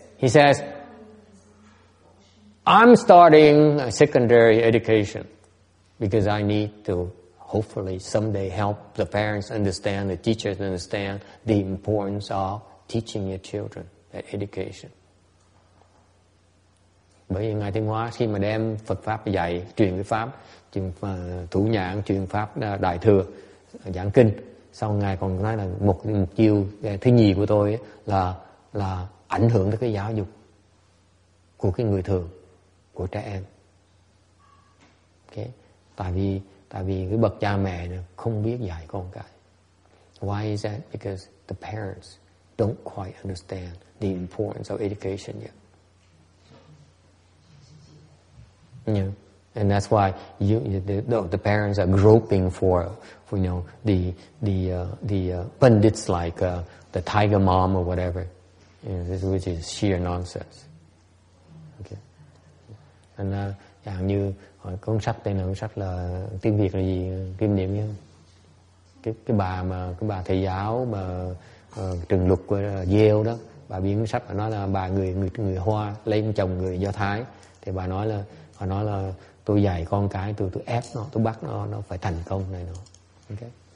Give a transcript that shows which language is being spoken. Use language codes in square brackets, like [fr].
[en] He says, I'm starting a secondary education because I need to hopefully someday help the parents understand, the teachers understand the importance of teaching your children that education. [vi] Bởi vì ngài Thiên Hóa khi mà đem Phật pháp dạy, truyền cái pháp, truyền thủ nhãn, truyền pháp đại thừa, giảng kinh, sau ngài còn nói là một chiêu thứ nhì của tôi là ảnh hưởng tới cái giáo dục của cái người thường, của trẻ em. Okay. Tại vì cái bậc cha mẹ không biết dạy con cái. [en] Why is that? Because the parents don't quite understand the importance of education yet. Yeah. And that's why the parents are groping for you know the pundits like the tiger mom or whatever, you know, this, which is sheer nonsense. Okay. [vi] And dạng như hỏi cuốn sách tên là cuốn sách là tiếng Việt là gì, kinh điển nhá. Cái bà thầy giáo mà trường luật của Yale đó, bà biên sách bà nói là bà người Hoa lấy chồng người Do Thái, thì bà nói là tôi dạy con cái tôi ép nó, tôi bắt nó phải thành công này nó. Ok.